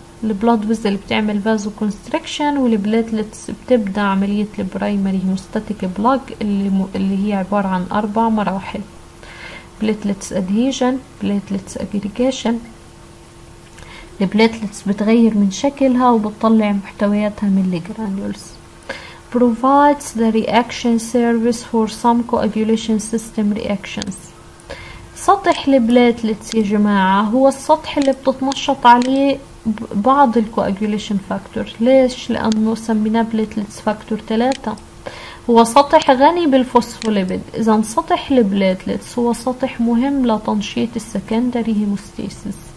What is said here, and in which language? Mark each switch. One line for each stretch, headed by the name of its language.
Arabic: البلود فيزل بتعمل فازو كونستريكشن، والبليتلتس بتبدأ عملية البرايمري هيموستاتيك بلاك اللي هي عبارة عن أربع مراحل: بليتلتس أدهيجن، بليتلتس أجريجيشن. البليتلتس بتغير من شكلها وبتطلع محتوياتها من الجرانيولز.
English: Provides the reaction service for some coagulation system reactions.
Arabic: سطح البليتلتس يا جماعة هو السطح اللي بتتنشط عليه بعض الكواجوليشن فاكتور. ليش؟ لأنه سميناه بليتلتس فاكتور 3. هو سطح غني بالفوسفوليبيد. إذا سطح البليتلتس هو سطح مهم لتنشيط السكندري هيموستيسيس.